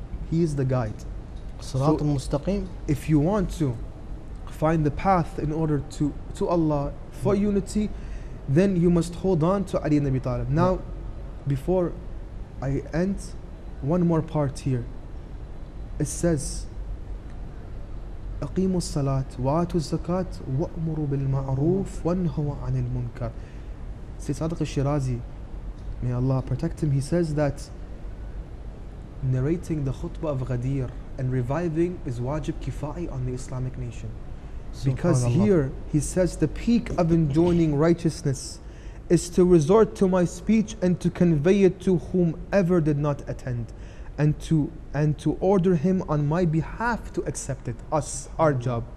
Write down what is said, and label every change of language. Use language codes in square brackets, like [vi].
[en] He is the guide. Sirat al-Mustaqim. If you want to find the path in order to Allah for unity, then you must hold on to Ali ibn Abi Talib. Now, before I end, one more part here. It says, [ar] أَقِيمُوا الصَّلَاةِ وَآتُوا الزَّكَاةِ وَأْمُرُوا بِالْمَعْرُوفِ وَنْهُوا عَنِ الْمُنْكَرِ. [en] Sayyid Sadiq al-Shirazi, may Allah protect him, he says that narrating the khutbah of Ghadir and reviving is wajib kifai on the Islamic nation. Because here, he says, the peak of enjoining righteousness is to resort to my speech and to convey it to whomever did not attend, and to order him on my behalf to accept it, us, our job.